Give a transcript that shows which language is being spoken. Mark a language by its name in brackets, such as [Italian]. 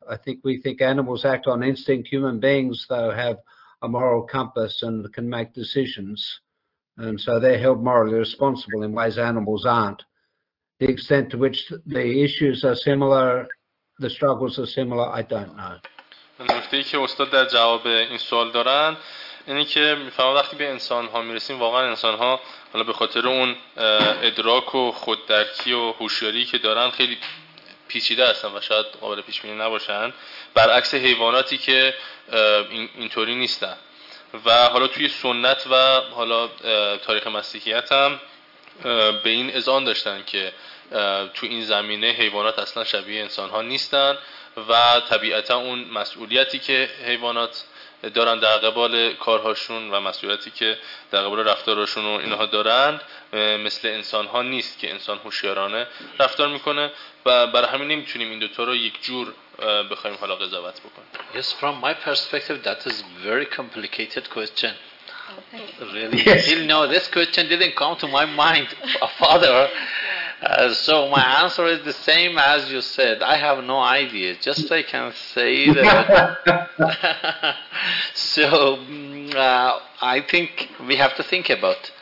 [English] I think we think animals act on instinct. Human beings, though, have a moral compass and can make decisions. And so they're held morally responsible in ways animals aren't. The extent to which the issues are similar, the struggles are similar, I don't know. [Persian] اینی که میفهمم وقتی به انسان‌ها میرسیم، واقعا انسان‌ها حالا به خاطر اون ادراک و خوددرکی و هوشیاری که دارن خیلی پیچیده هستن و شاید قابل پیش‌بینی نباشن، برعکس حیواناتی که اینطوری نیستن. و حالا توی سنت و حالا تاریخ مسیحیت هم به این اذعان داشتن که تو این زمینه حیوانات اصلا شبیه انسان‌ها نیستن و طبیعتا اون مسئولیتی که حیوانات دارن در قبال کارهاشون و مسئولیتی که در قبال رفتارشون و اینها دارن مثل انسان‌ها نیست، که انسان هوشیارانه رفتار میکنه و برای همین نمیتونیم این دوتا رو یک جور بخوایم حالا قضاوت بکنیم. [English] Yes, from my perspective that is very complicated question. Really? Still no, this question didn't come to my mind father. So my answer is the same as you said. I have no idea. Just I can say that. So I think we have to think about.